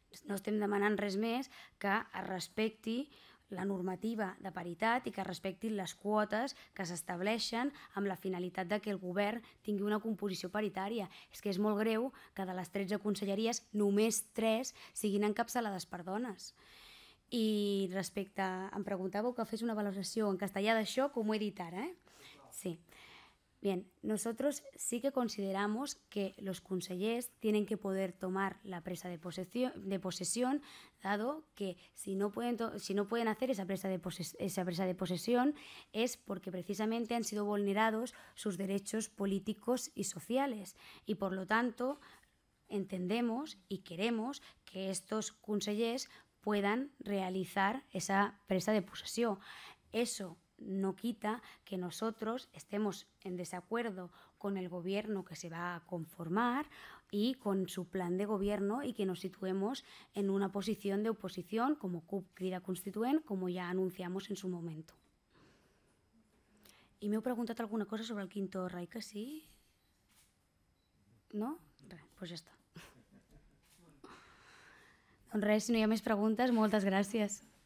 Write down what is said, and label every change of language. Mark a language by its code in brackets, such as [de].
[ca] No estem demanant res més que es respecti la normativa de paritat i que respectin les quotes que s'estableixen amb la finalitat de que el govern tingui una composició paritària. És que és molt greu que de les 13 conselleries només 3 siguin encapçalades per dones. I respecte, em preguntàveu que fes una valoració en castellà d'això, com ho he dit ara, Sí. [es] Bien, nosotros sí que consideramos que los consellers tienen que poder tomar la presa de posesión, dado que si no pueden hacer esa presa de posesión es porque precisamente han sido vulnerados sus derechos políticos y sociales, y por lo tanto entendemos y queremos que estos consellers puedan realizar esa presa de posesión. Eso no quita que nosotros estemos en desacuerdo con el gobierno que se va a conformar y con su plan de gobierno, y que nos situemos en una posición de oposición como CUP Crida Constituent, como ya anunciamos en su momento. ¿Y me he preguntado alguna cosa sobre el quinto Reich? ¿Sí? ¿No? Pues ya está. [ca] Doncs res, si no hi ha més preguntes, moltes gràcies.